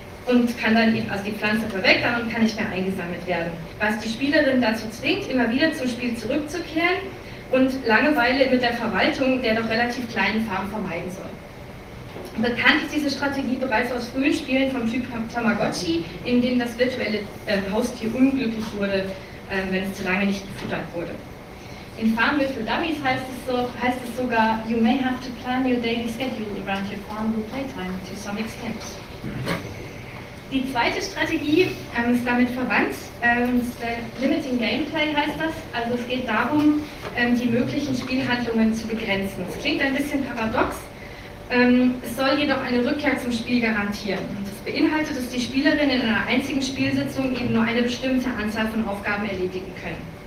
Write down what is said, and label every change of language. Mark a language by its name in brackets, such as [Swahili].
[German] Die Pflanze verwelken und kann nicht mehr eingesammelt werden. Was die Spielerin dazu zwingt, immer wieder zum Spiel zurückzukehren, und Langeweile mit der Verwaltung der doch relativ kleinen Farm vermeiden soll. Bekannt ist diese Strategie bereits aus frühen Spielen vom Typ Tamagotchi, in dem das virtuelle Haustier unglücklich wurde, wenn es zu lange nicht gefüttert wurde. [English] In Farm Virtual Dummies [German] heißt es sogar, [English] you may have to plan your daily schedule around your farm with playtime to some extent. [German] Die zweite Strategie ist damit verwandt, Limiting Gameplay heißt das, also es geht darum, die möglichen Spielhandlungen zu begrenzen. Es klingt ein bisschen paradox, es soll jedoch eine Rückkehr zum Spiel garantieren. Das beinhaltet, dass die Spielerinnen in einer einzigen Spielsitzung eben nur eine bestimmte Anzahl von Aufgaben erledigen können.